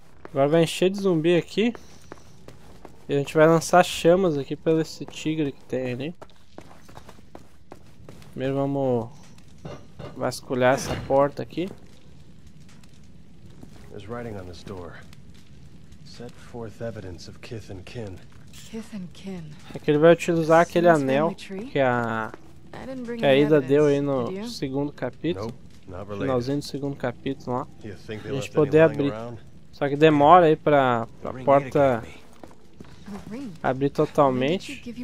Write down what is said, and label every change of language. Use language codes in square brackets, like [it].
[pt] Agora vai encher de zumbi aqui. E a gente vai lançar chamas aqui pelo esse tigre que tem ali. Primeiro vamos vasculhar essa porta aqui. [en] There's writing on this door. Set forth evidence of kith and kin. Kith and kin. [pt] É que ele vai utilizar aquele anel que a Ida deu aí no segundo capítulo. Finalzinho do segundo capítulo lá. Pra gente poder abrir. Só que demora aí pra porta abrir totalmente.